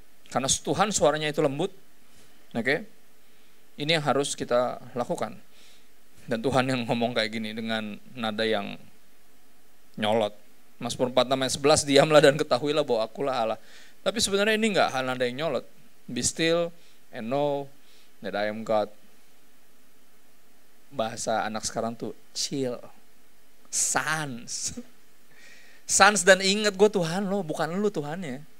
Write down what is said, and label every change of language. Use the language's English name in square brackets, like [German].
[Indonesian] Karena Tuhan suaranya itu lembut, oke? Ini yang harus kita lakukan. Dan Tuhan yang ngomong kayak gini dengan nada yang nyolot, Mazmur 46 ayat 11, diamlah dan ketahuilah bahwa akulah Allah. Tapi sebenarnya ini enggak hal ada yang nyolot. [English] Be still and know that I am God. [Indonesian] Bahasa anak sekarang tuh chill. Sans. Sans dan ingat gue Tuhan lo, bukan lu Tuhannya.